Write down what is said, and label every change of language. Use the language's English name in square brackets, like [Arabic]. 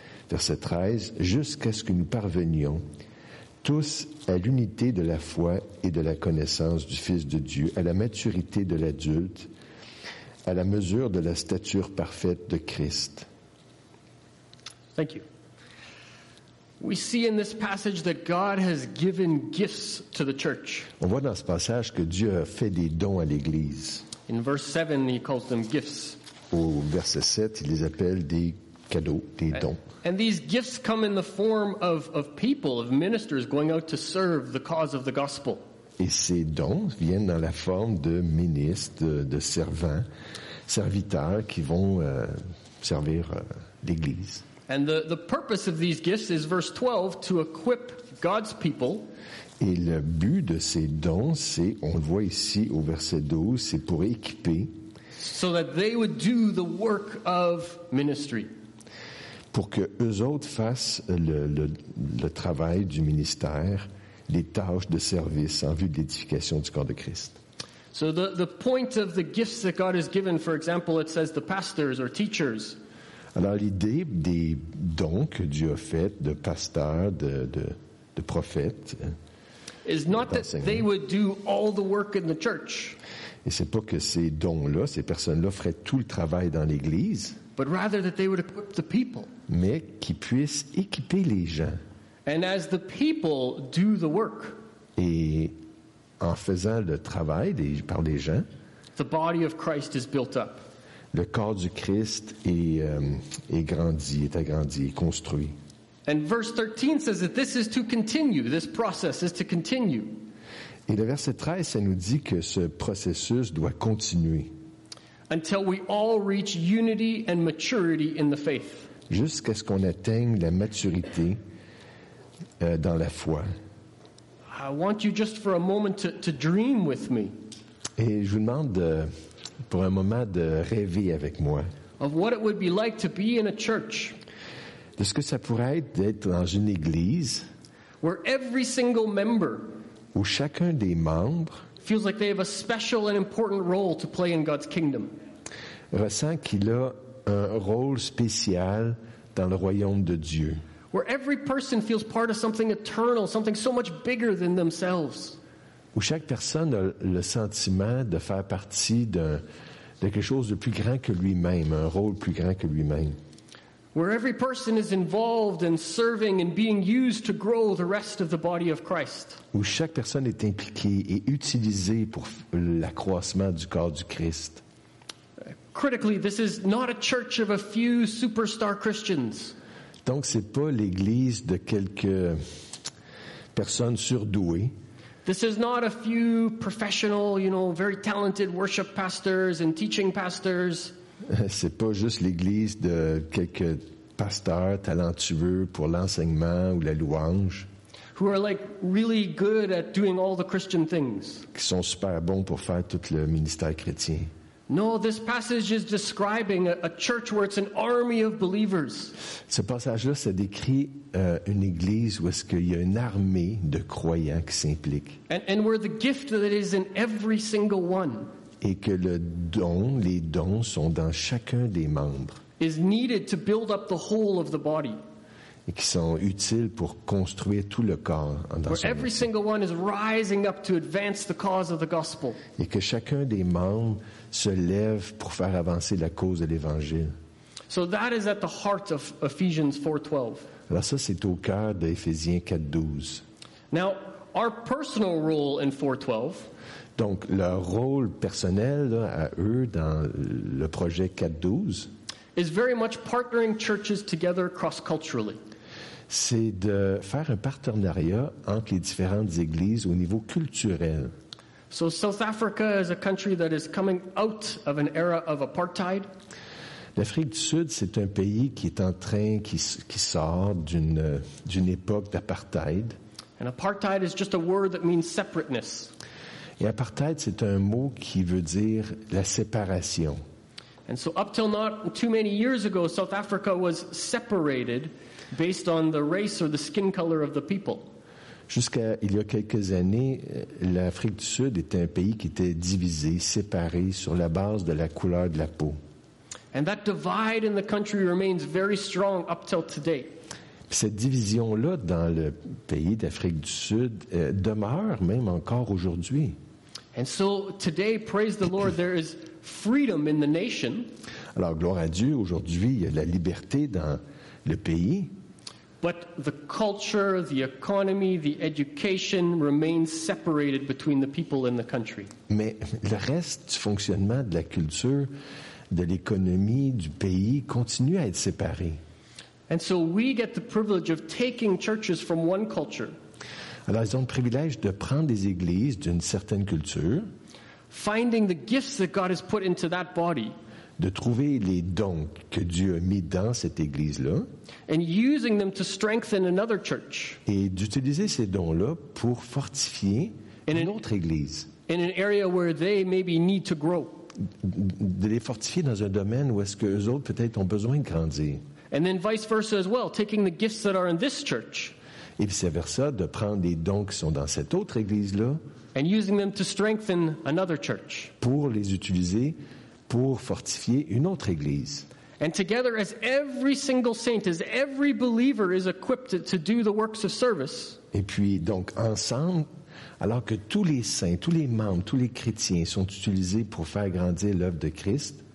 [French] Verset 13, jusqu'à ce que nous parvenions tous à l'unité de la foi et de la connaissance du Fils de Dieu, à la maturité de l'adulte, à la mesure de la stature parfaite de Christ. [English] Thank you. We see in this passage that God has given gifts to the church. [French] On voit dans ce passage que Dieu a fait des dons à l'église. [English] In verse 7, he calls them gifts. [French] Au verset 7, il les appelle des cadeaux, des dons. [English] And these gifts come in the form of people, of ministers going out to serve the cause of the gospel. [French] Et ces dons viennent dans la forme de ministres, de servants, serviteurs qui vont servir l'église. [English] And the purpose of these gifts is verse 12, to equip God's people. [French] Et le but de ces dons, c'est, on le voit ici au verset 12, c'est pour équiper. [English] So that they would do the work of ministry. [French] Pour que eux autres fassent le travail du ministère, les tâches de service en vue de l'édification du corps de Christ. [English] So the point of the gifts that God has given, for example, it says the pastors or teachers. [French] Alors l'idée des dons que Dieu a fait de pasteurs, de prophètes. [English] Is not that they would do all the work in the church. [French] Et c'est pas que ces dons-là, ces personnes-là feraient tout le travail dans l'église. [English] But rather that they would equip the people. [French] Mais qu'ils puissent équiper les gens. [English] And as the people do the work. [French] Et en faisant le travail par les gens, [English] the body of Christ is built up. [French] Le corps du Christ est agrandi, est construit. [English] And verse 13 says that this is to continue, this process is to continue. [French] Et le verset 13, ça nous dit que ce processus doit continuer. [English] Until we all reach unity and maturity in the faith. [French] Jusqu'à ce qu'on atteigne la maturité dans la foi. [English] I want you just for a moment to dream with me. [French] Et je vous demande pour un moment de rêver avec moi. [English] Of what it would be like to be in a church. [French] De ce que ça pourrait être d'être dans une église [English] where every single member [French] où chacun des membres [English] feels like they have a special and important role to play in God's kingdom. [French] Ressent qu'il a un rôle spécial dans le royaume de Dieu. [English] Where every person feels part of something eternal, something so much bigger than themselves. [French] Où chaque personne a le sentiment de faire partie de quelque chose de plus grand que lui-même, un rôle plus grand que lui-même. [English] Where every person is involved in serving and being used to grow the rest of the body of Christ. [French] Où chaque personne est impliquée et utilisée pour l'accroissement du corps du Christ. [English] Critically, this is not a church of a few superstar Christians. [French] Donc, c'est pas l'église de quelques personnes surdouées. [English] This is not a few professional, very talented worship pastors and teaching pastors. [French] C'est pas juste l'église de quelques pasteurs talentueux pour l'enseignement ou la louange. [English] Who are like really good at doing all the Christian things. [French] Qui sont super bons pour faire tout le ministère chrétien. [English] No, this passage is describing a church where it's an army of believers. [French] Ce passage-là, ça décrit une église où est-ce qu'il y a une armée de croyants qui s'implique. [English] And where the gift that is in every single one. [French] Et que les dons sont dans chacun des membres. [English] Is needed to build up the whole of the body. [French] Et qui sont utiles pour construire tout le corps dans son. [English] Where every single one is rising up to advance the cause of the gospel. [French] Et que chacun des membres se lève pour faire avancer la cause de l'évangile. [English] So that is at the heart of Ephesians 4:12. [French] Alors ça c'est au cœur d'Éphésiens 4:12. [English] Now our personal role in 4:12. [French] Donc leur rôle personnel là, à eux dans le projet 4:12 [English] is very much partnering churches together cross-culturally. [French] C'est de faire un partenariat entre les différentes églises au niveau culturel. [English] So South Africa is a country that is coming out of an era of apartheid. [French] L'Afrique du Sud, c'est un pays qui sort d'une époque d'apartheid. [English] And apartheid is just a word that means separateness. [French] Et apartheid, c'est un mot qui veut dire la séparation. [English] And so up till not too many years ago, South Africa was separated based on the race or the skin color of the people. [French] Jusqu'à il y a quelques années, l'Afrique du Sud était un pays qui était divisé, séparé sur la base de la couleur de la peau. [English] And that divide in the country remains very strong up till today. [French] Cette division-là dans le pays d'Afrique du Sud demeure même encore aujourd'hui. [English] And so today, praise the Lord, there is freedom in the nation. [French] Alors, gloire à Dieu, aujourd'hui, il y a la liberté dans le pays. [English] But the culture, the economy, the education remains separated between the people and the country. [French] Mais le reste du fonctionnement de la culture, de l'économie, du pays continue à être séparé. [English] And so we get the privilege of taking churches from one culture. [French] Alors, ils ont le privilège de prendre des églises d'une certaine culture. [English] Finding the gifts that God has put into that body. [French] De trouver les dons que Dieu a mis dans cette église-là. [English] And using them to strengthen another church. [French] Et d'utiliser ces dons-là pour fortifier une autre église. [English] In an area where they maybe need to grow. [French] De les fortifier dans un domaine où est-ce que eux autres peut-être ont besoin de grandir. [English] And then vice versa as well, taking the gifts that are in this church. [French] et vice-versa, de prendre des dons qui sont dans cette autre église-là [English] and using them to strengthen another church. [French] Pour les utiliser pour fortifier une autre église. [English] And together, as every single saint, as every believer is equipped to do the works of service. [French] Et puis donc ensemble, alors que tous les saints, tous les membres, tous les chrétiens sont utilisés pour faire grandir l'œuvre de Christ.